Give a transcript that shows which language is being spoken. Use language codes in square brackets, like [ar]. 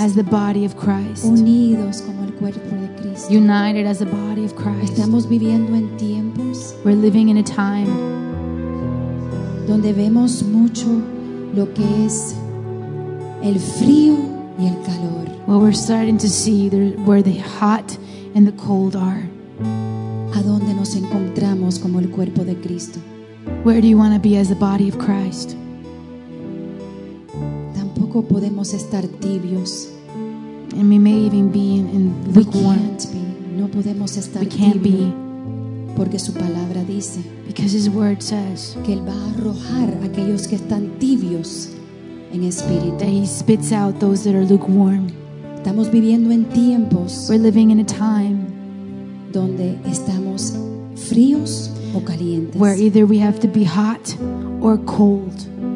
[en] As the body of Christ. [es] Unidos como el cuerpo de Cristo. [en] United as the body of Christ. [es] Estamos viviendo en tiempos. [en] We're living in a time [es] donde vemos mucho lo que es el frío y el calor. [en] Well, we're starting to see where the hot and the cold are. [es] ¿A dónde nos encontramos como el cuerpo de Cristo? [en] Where do you want to be as the body of Christ? [es] Tampoco podemos estar tibios. [en] And we may even be in lukewarm. We can't be. [es] No podemos estar [en] tibios. We can't be. [es] Porque su palabra dice. [en] Because His word says. [es] Que Él va a arrojar aquellos que están tibios en espíritu. [en] That He spits out those that are lukewarm. [es] Estamos viviendo en tiempos. [en] We're living in a time. [es] Donde estamos fríos o calientes. [en] Where either we have to be hot or cold.